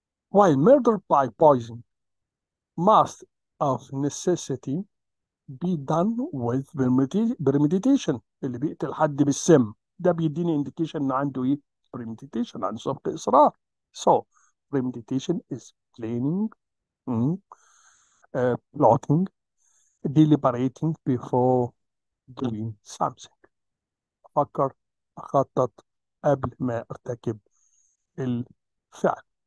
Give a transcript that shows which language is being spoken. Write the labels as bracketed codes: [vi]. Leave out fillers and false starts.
[en] While murder by poison must of necessity be done with premeditation، [ar] اللي بيقتل حد بالسم ده بيديني انديكيشن ان عنده ايه؟ بريميديتيشن، عنده سبق اصرار. [en] So premeditation is planning, plotting, deliberating before doing something. [ar] أفكر، أخطط قبل ما أرتكب الفعل.